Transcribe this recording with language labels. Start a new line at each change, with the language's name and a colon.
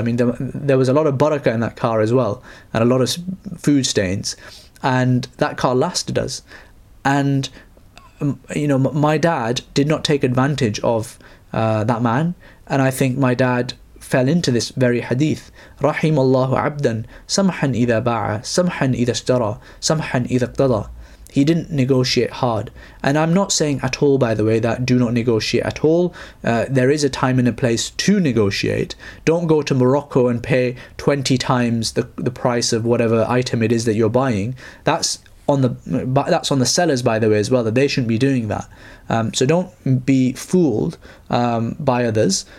English: I mean, there was a lot of barakah in that car as well, and a lot of food stains. And that car lasted us. And, you know, my dad did not take advantage of that man. And I think my dad fell into this very hadith.
Arabic: رحم الله عبدا سمحا إذا باع سمحا إذا اشترى سمحا إذا اقتضى.
English: He didn't negotiate hard. And I'm not saying at all, by the way, that do not negotiate at all. There is a time and a place to negotiate. Don't go to Morocco and pay 20 times the price of whatever item it is that you're buying. That's on the sellers, by the way, as well, that they shouldn't be doing that. So don't be fooled by others.